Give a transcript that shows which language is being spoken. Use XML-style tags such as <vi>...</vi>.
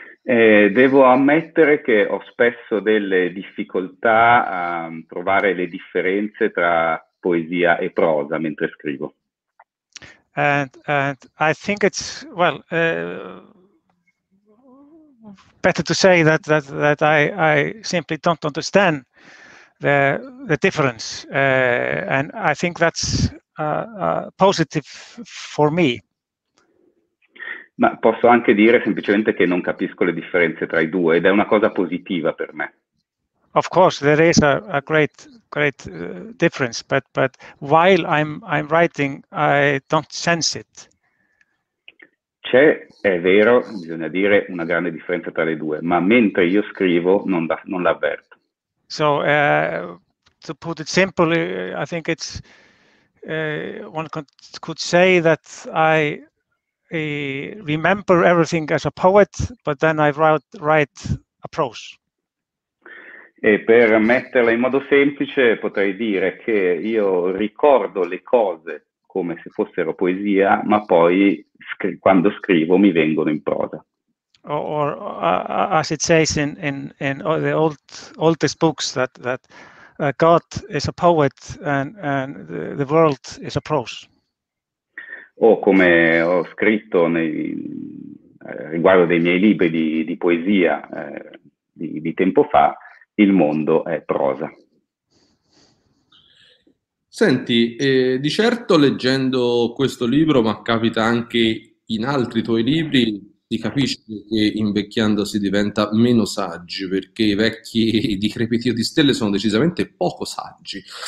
<it>Devo ammettere che ho spesso delle difficoltà a trovare le differenze tra poesia e prosa mentre scrivo.</it> <en>And I think it's better to say that I simply don't understand the difference, and I think that's positive for me.</en> <it>Ma posso anche dire semplicemente che non capisco le differenze tra i due, ed è una cosa positiva per me.</it> <en>Of course, there is a great difference, but while I'm writing, I don't sense it.</en> <it>C'è, è vero, bisogna dire, una grande differenza tra le due, ma mentre io scrivo non l'avverto.</it> <en>So, to put it simply, I think it's one could say that I remember everything as a poet, but then I write a prose.</en> <it>per metterla in modo semplice, potrei dire che io ricordo le cose come se fossero poesia, ma poi quando scrivo mi vengono in prosa.</it> <en>Or as it says in all the oldest books that God is a poet and the world is a prose.</en> <it>O come ho scritto riguardo dei miei libri di poesia di tempo fa, il mondo è prosa. Senti, di certo leggendo questo libro, ma capita anche in altri tuoi libri, si capisce che invecchiando si diventa meno saggi, perché i vecchi decrepiti o di stelle sono decisamente poco saggi.</it>